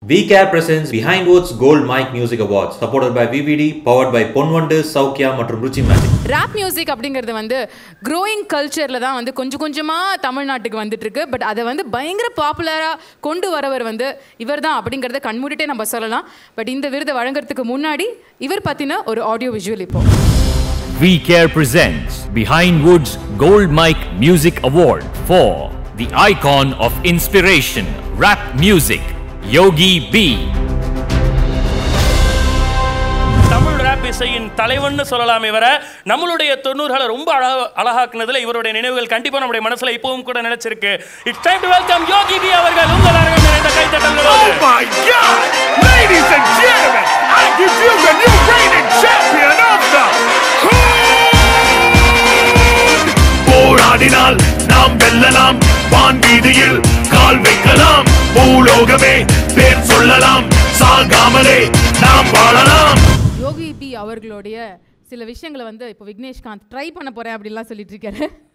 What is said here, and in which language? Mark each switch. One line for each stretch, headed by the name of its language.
English: We Care presents Behindwoods Gold Mic Music Awards, supported by VVD, powered by Ponwonder, Saukya, மற்றும் Ruchi magic.
Tamil: Rap music அப்படிங்கிறது வந்து growing கல்ச்சரில் தான் வந்து கொஞ்சம் கொஞ்சமாக தமிழ்நாட்டுக்கு வந்துட்டு இருக்கு. பட் அதை வந்து பயங்கர பாப்புலராக கொண்டு வரவர் வந்து இவர் தான் அப்படிங்கிறத கண்மூடிட்டே நம்ம சொல்லலாம். பட் இந்த விருதை வழங்குறதுக்கு முன்னாடி இவர் பற்றின ஒரு ஆடியோ விஜுவல் இப்போ.
English: We Care presents Behindwoods Gold Mic Music Award for the icon of inspiration, rap music. Yogi B.
Tamil: Tamil rap இசையின் தலைவன் சொல்லலாம் இவரை. நம்மளுடைய 90களை ரொம்ப அழகாக்குனதுல இவருடைய நினைவுகள் கண்டிப்பா நம்முடைய மனசுல இப்பவும் கூட நினைச்சிருக்கு.
English: it's time to welcome
Tamil: Yogi B அவர்கள். உங்கள் அரங்கம் நிறைந்த கை தட்டல்.
English: Oh my god, ladies and gentlemen, I give you the new reigning champion of the
Tamil: போராடினால் நாம் வெல்லலாம், வான் வீதியில் கால் வைக்கலாம், பூலோகமே பேர் சொல்லலாம், சாகாமலே நாம் வாழலாம். யோகி பி அவர்களுடைய சில விஷயங்களை வந்து இப்போ விக்னேஷ்காந்த் ட்ரை பண்ண போறேன் அப்படிலாம் சொல்லிட்டு இருக்காரு.